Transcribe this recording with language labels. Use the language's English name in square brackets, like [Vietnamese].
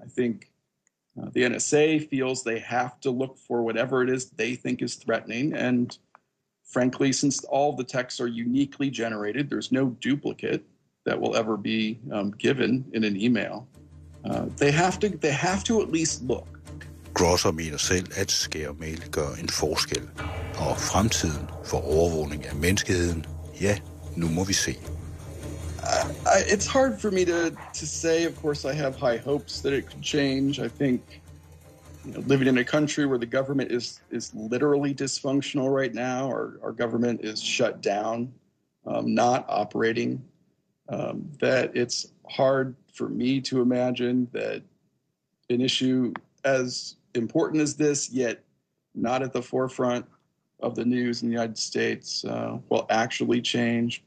[English] I think the NSA feels they have to look for whatever it is they think is threatening. And frankly, since all the texts are uniquely generated, there's no duplicate that will ever be given in an email. They have to at least look. [Danish] Grosser mener selv, at scare mail gør en forskel. Og fremtiden for overvågning af menneskeheden, ja, nu må vi se. [English] It's hard for me to say. Of course, I have high hopes that it could change. I think, you know, living in a country where the government is literally dysfunctional right now, our government is shut down, not operating, that it's hard for me to imagine that an issue as important as this, yet not at the forefront of the news in the United States, will actually change.